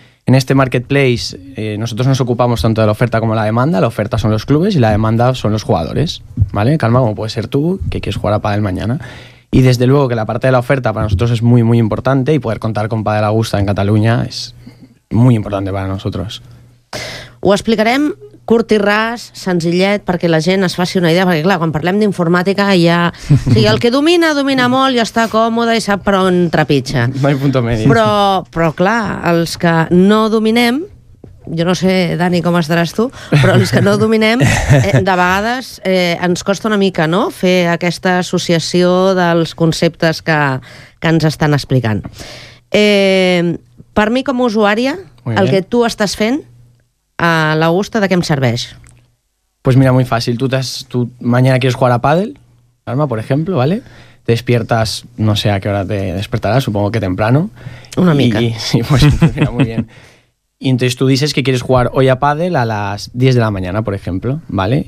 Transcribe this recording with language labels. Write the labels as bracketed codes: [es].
[es] En este marketplace nosotros nos ocupamos tanto de la oferta como de la demanda. La oferta son los clubes y la demanda son los jugadores, ¿vale? Calma, como puede ser tú, que quieres jugar a pádel mañana. Y desde luego que la parte de la oferta para nosotros es muy, muy importante y poder contar con Pádel Augusta en Cataluña es muy importante para nosotros. [ca] Ho explicarem curt i ras, senzillet, perquè la gent es faci una idea, perquè clar, quan parlem d'informàtica ja... O sigui, el que domina molt i està còmode i sap per on trepitja. No hi [es] punto medio. [ca] Però clar, els que no dominem, jo no sé, Dani, com estaràs tu, però els que no dominem, de vegades ens costa una mica, no?, fer aquesta associació dels conceptes que ens estan explicant. Per mi, com a usuària, el que tu estàs fent a l'Augusta, de què em serveix? [es] Pues mira, muy fácil. Tú mañana quieres jugar a pádel, Arma, por ejemplo, ¿vale? Te despiertas, no sé a qué hora te despertarás, supongo que temprano. [ca] Una mica. [es] Sí, pues mira, muy bien. Y entonces tú dices que quieres jugar hoy a pádel a las 10 de la mañana, por ejemplo, ¿vale?